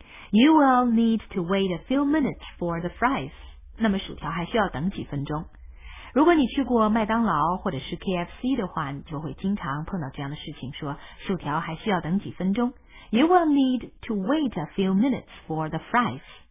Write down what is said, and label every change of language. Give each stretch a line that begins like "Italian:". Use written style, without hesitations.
English: You will need to wait a few minutes for the fries.
Chinese: 那么薯条还需要等几分钟。如果你去过麦当劳或者是 KFC 的话，你就会经常碰到这样的事情，说薯条还需要等几分钟。
English: You will need to wait a few minutes for the fries.